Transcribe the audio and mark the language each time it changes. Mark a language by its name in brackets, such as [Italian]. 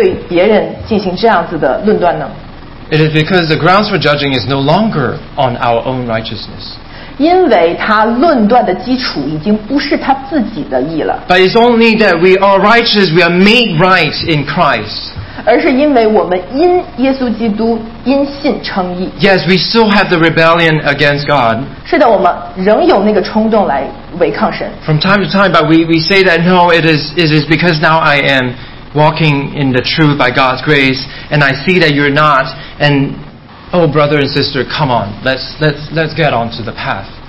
[Chinese] 好，为什么一个曾经有过更大的过犯，一个更深的跌倒的人，是有这个资格对别人进行这样子的论断呢？ [English] It is because the grounds for judging is no longer on our own righteousness. [Chinese] 因为他论断的基础已经不是他自己的义了。 [English] But it's only that we are righteous, we are made right in Christ. [Chinese] 而是因为我们因耶稣基督因信称义。 [English] Yes, we still have the rebellion against God. [Chinese] 是的，我们仍有那个冲动来违抗神。 [English] From time to time, but we say that no, it is because now I am walking in the truth by God's grace, and I see that you're not, and oh brother and sister, come on, let's get onto the path.